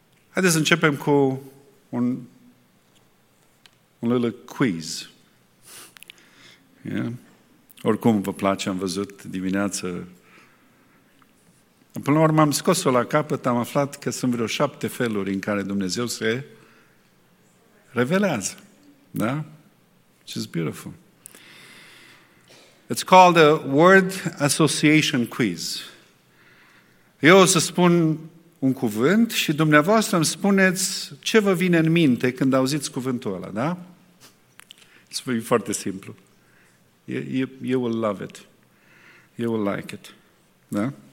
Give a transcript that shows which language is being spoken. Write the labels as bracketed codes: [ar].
[ro] Haideți să începem cu un [en] little quiz. Yeah? [ro] Oricum vă place, am văzut dimineață. Până la urmă am scos-o la capăt, am aflat că sunt vreo 7 feluri în care Dumnezeu se revelează. Da? [en] Which is beautiful. It's called a word association quiz. [ro] Eu o să spun un cuvânt și dumneavoastră îmi spuneți ce vă vine în minte când auziți cuvântul ăla, da? E foarte simplu. [en] You will love it. You will like it. [ro] Da?